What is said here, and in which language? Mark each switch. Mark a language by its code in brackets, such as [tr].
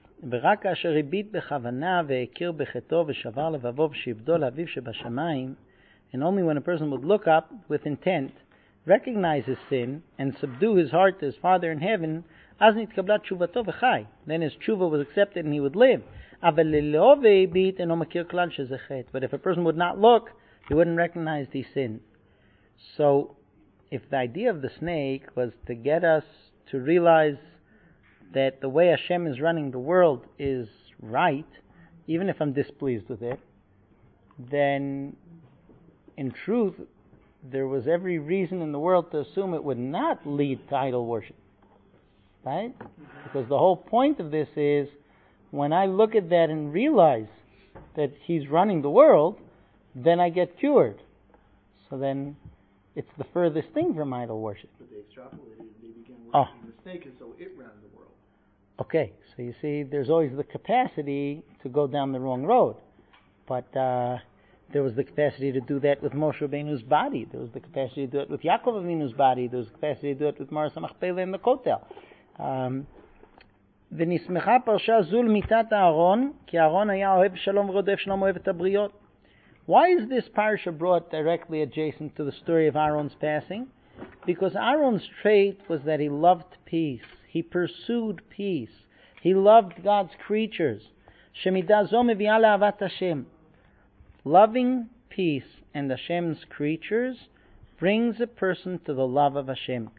[he] ורק אשר הביט בכוונה והכיר בחטאו ושבר לבבו ושיבדו לאביו שבשמיים, [en] and only when a person would look up with intent, recognize his sin, and subdue his heart to his Father in heaven, [he] אז נתקבלה תשובתו וחי. [en] Then his tshuva was accepted and he would live. [he] אבל ללא והביט אינו מכיר כלל שזה חטא. [en] But if a person would not look, he wouldn't recognize the sin. So, if the idea of the snake was to get us to realize that the way Hashem is running the world is right, even if I'm displeased with it, then in truth, there was every reason in the world to assume it would not lead to idol worship. Right? Because the whole point of this is, when I look at that and realize that he's running the world, then I get cured. So then, it's the furthest thing from idol worship. But they extrapolated and they began worshiping the snake, and so it ran the world. Okay, so you see, there's always the capacity to go down the wrong road. But there was the capacity to do that with Moshe Rabbeinu's body. There was the capacity to do it with Yaakov Avinu's body. There was the capacity to do it with Maris HaMachpelah in the Kotel. [he] ונשמחה פרשה זו למיטת אהרון, כי אהרון היה אוהב שלום ורודף שלום אוהב את הבריות. [en] Why is this parasha brought directly adjacent to the story of Aaron's passing? Because Aaron's trait was that he loved peace. He pursued peace. He loved God's creatures. [he] Shemida zo mevi'a le'avat Hashem. [en] Loving peace and Hashem's creatures brings a person to the love of Hashem.